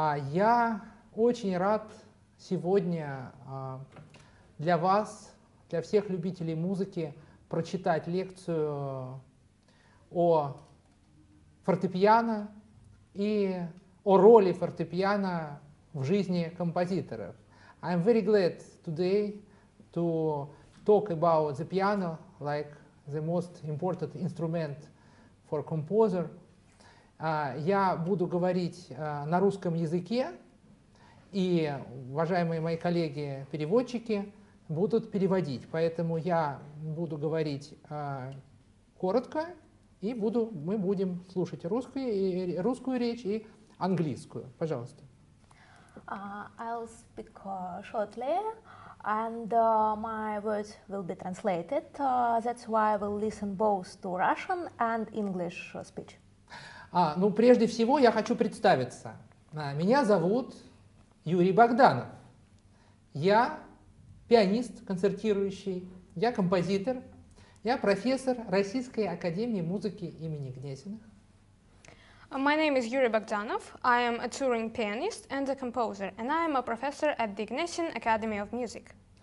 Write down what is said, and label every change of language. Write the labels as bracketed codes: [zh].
[ru] Я очень рад сегодня для вас, для всех любителей музыки, прочитать лекцию о фортепиано и о роли фортепиано в жизни композиторов. [en] I'm very glad today to talk about the piano, like the most important instrument for composer. [ru] Я буду говорить на русском языке, и уважаемые мои коллеги-переводчики будут переводить. Поэтому я буду говорить коротко, и мы будем слушать русскую речь и английскую. Пожалуйста. [en] I'll speak shortly. And my words will be translated. That's why I will listen both to Russian and English speech. [ru] Ну, прежде всего, я хочу представиться. Меня зовут Юрий Богданов. Я пианист концертирующий, я композитор, я профессор Российской академии музыки имени Гнесиных. [en] My name is Yuri Bogdanov. I am a touring pianist and a composer, and I am a professor at the Gnesin Academy of Music.